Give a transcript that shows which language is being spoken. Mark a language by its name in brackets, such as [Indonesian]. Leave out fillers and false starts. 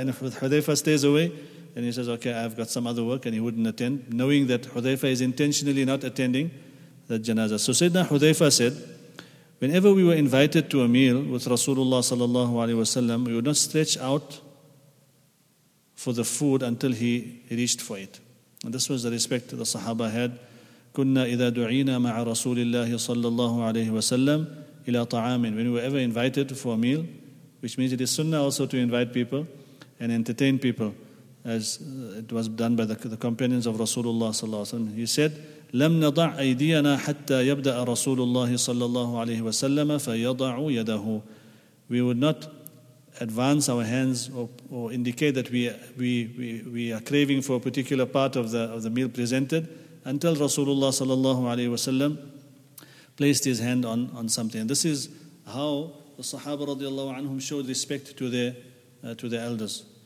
[English] And if Hudhayfa stays away, then he says, okay, I've got some other work, and he wouldn't attend, knowing that Hudhayfa is intentionally not attending the janazah. So Sayyidina Hudhayfa said, whenever we were invited to a meal with Rasulullah sallallahu alayhi wa sallam, we would not stretch out for the food until he reached for it. And this was the respect the Sahaba had. [Arabic] كنا إذا دعينا مع رسول الله صلى الله عليه وسلم إلى طعام. [English] When we were ever invited for a meal, which means it is sunnah also to invite people and entertain people, as it was done by the companions of Rasulullah صلى الله عليه وسلم. He said, [Arabic] لم نضع أيدينا حتى يبدأ رسول الله صلى الله عليه وسلم فيضع يده. [English] We would not advance our hands or indicate that we are craving for a particular part of the meal presented until Rasulullah sallallahu alayhi wa sallam placed his hand on something. And this is how the Sahaba radiallahu anhum showed respect to their elders.